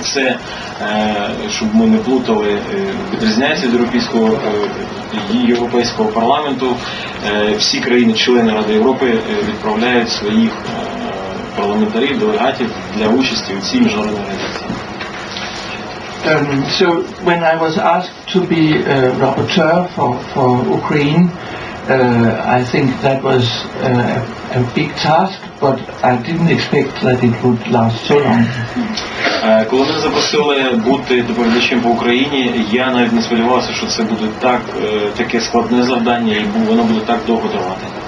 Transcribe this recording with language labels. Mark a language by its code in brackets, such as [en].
[uk] Це, щоб ми не плутали, відрізняється від Європейського парламенту. Всі країни-члени Ради Європи відправляють своїх парламентарів, делегатів для участі у цій міжнародній організації. [en] So when I was asked to be a rapporteur for Ukraine, I think that was a big task, but I didn't expect that it would last so long. [uk] Коли мене запросили бути доповідачем по Україні, я навіть не сподівався, що це буде таке складне завдання, і воно буде так довго тривати.